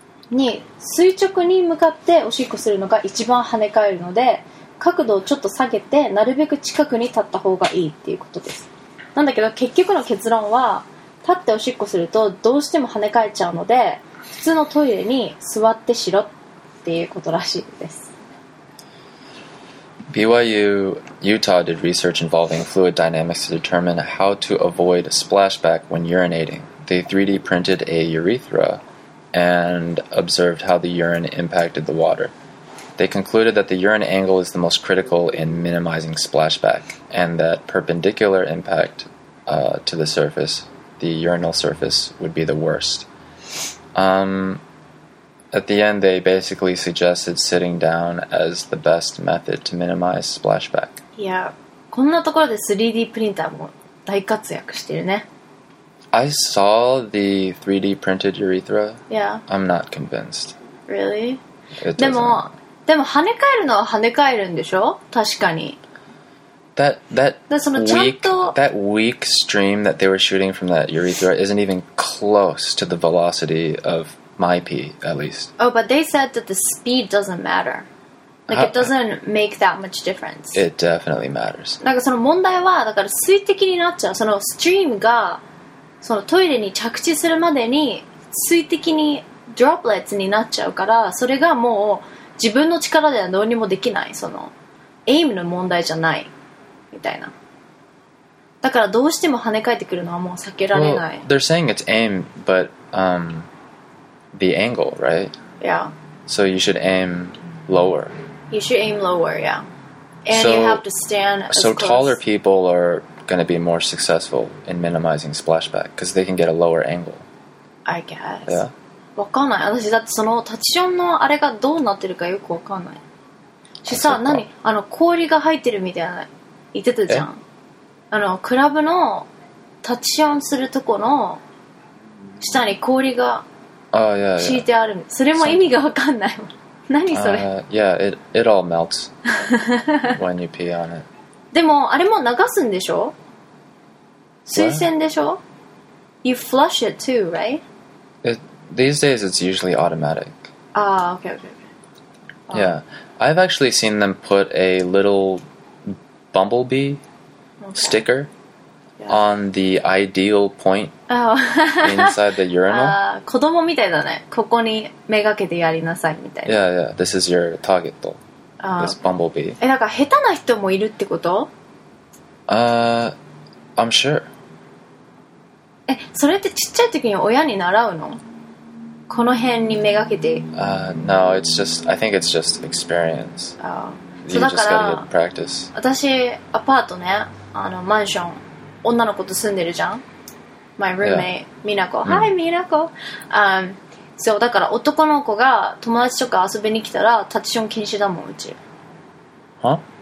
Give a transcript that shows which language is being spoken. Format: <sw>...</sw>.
<ja>に垂直に向かっておしっこするのが一番跳ね返るので、角度をちょっと下げてなるべく近くに立った方がいいっていうことです。なんだけど結局の結論は、立っておしっこするとどうしても跳ね返っちゃうので、普通のトイレに座ってしろっていうことらしいです。</ja> <en>BYU Utah did research involving fluid dynamics to determine how to avoid splashback when urinating. They 3D printed a urethra and observed how the urine impacted the water. They concluded that the urine angle is the most critical in minimizing splashback, and that perpendicular impact to the surface, the urinal surface, would be the worst. At the end, they basically suggested sitting down as the best method to minimize splashback.</en> <ja>Yeah, こんなところで 3D プリンターも大活躍してるね。</ja> <en>I saw the 3D printed urethra. Yeah. I'm not convinced. Really? It doesn't.</en> <ja>でも跳ね返るのは跳ね返るんでしょ？確かに。</ja> <en>That weak stream that they were shooting from that urethra isn't even close to the velocity of my pee, at least. Oh, but they said that the speed doesn't matter. Like, it doesn't make that much difference. It definitely matters.</en> <ja>なんかその問題は、だから水滴になっちゃう。そのストリームが、そのトイレに着地するまでに水滴にドロップレッツになっちゃうから、それがもう自分の力ではどうにもできない、そのエイムの問題じゃないみたいな。だからどうしても跳ね返ってくるのはもう避けられない。</ja> <en>Well, they're saying it's aim, but the angle, right? Yeah. So you should aim lower. You should aim lower, yeah. And so, you have to stand as so close. Taller people are... going to be more successful in minimizing splashback because they can get a lower angle. I guess. Yeah.</en> <ja>分かんない。私だってそのタチションのあれがどうなってるかよく分かんない。しさ、何あの氷が入ってるみたいな言ってたじゃん。あのクラブのタチションするとこの下に氷が敷いてある。</ja> <en>yeah, yeah.</en> <ja>それも意味がわかんないもん。何それ、</ja> <en>yeah, it all melts when you pee on it.</en> <ja>でもあれも流すんでしょ、水洗でしょ。</ja> <en>What? You flush it too, right? These days it's usually automatic. Ah, okay, okay, okay. Yeah, I've actually seen them put a little bumblebee sticker on the ideal point inside the urinal.</en> <ja>子供みたいだね。ここにめがけてやりなさいみたいな。</ja> <en>Yeah, yeah. This is your target. This bumblebee.</en> <ja>え、なんか下手な人もいるってこと？</ja> <en>I'm sure.</en> <ja>え、それってちっちゃい時に親に習うの？この辺にめがけて。</ja> <en>No, it's just, I think it's just experience. You just gotta get practice.</en> <ja>私、アパートね、あの、マンション。女の子と住んでるじゃん。</ja> <en>My roommate, みなこ。Hi, みなこ。</en> <ja>そう、だから男の子が友達とか遊びに来たら、タッチション禁止だもん、うち。</ja> <en>Huh?</en>